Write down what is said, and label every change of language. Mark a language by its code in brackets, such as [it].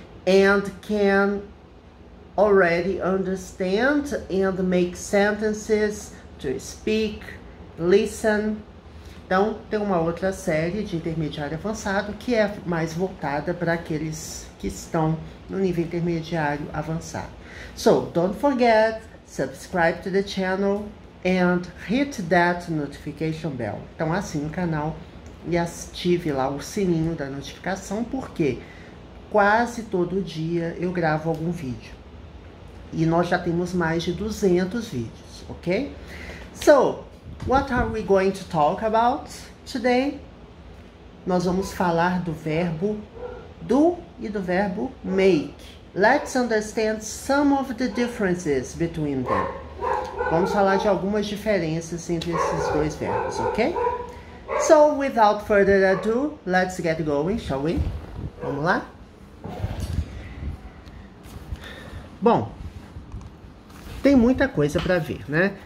[en] And can already understand and make sentences to speak, listen. [pt] Então, tem uma outra série de intermediário avançado que é mais voltada para aqueles que estão no nível intermediário avançado. [en] So, don't forget, subscribe to the channel and hit that notification bell. [pt] Então, assine o canal e ative lá o sininho da notificação, porque quase todo dia eu gravo algum vídeo. E nós já temos mais de 200 vídeos, ok? [en] So, what are we going to talk about today? [pt] Nós vamos falar do verbo do e do verbo make. [en] Let's understand some of the differences between them. [pt] Vamos falar de algumas diferenças entre esses dois verbos, ok? [en] So, without further ado, let's get going, shall we? [pt] Vamos lá? Bom. Tem muita coisa para ver, né?